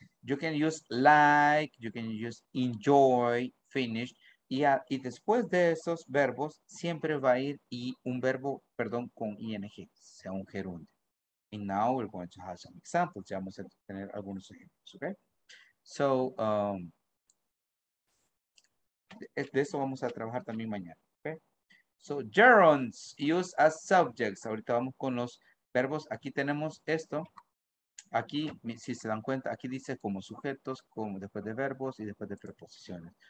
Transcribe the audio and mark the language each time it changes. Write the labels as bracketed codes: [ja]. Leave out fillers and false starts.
[en] You can use like, you can use enjoy, finish. [es] Y después de esos verbos, siempre va a ir y un verbo, perdón, con ing, sea un gerundio. [en] And now we're going to have some examples. [es] Ya vamos a tener algunos ejemplos, okay? So, de eso vamos a trabajar también mañana, okay? [en] So, gerunds, use as subjects. [es] Ahorita vamos con los verbos. Aquí tenemos esto. Aquí, si se dan cuenta, aquí dice como sujetos, como después de verbos y después de preposiciones.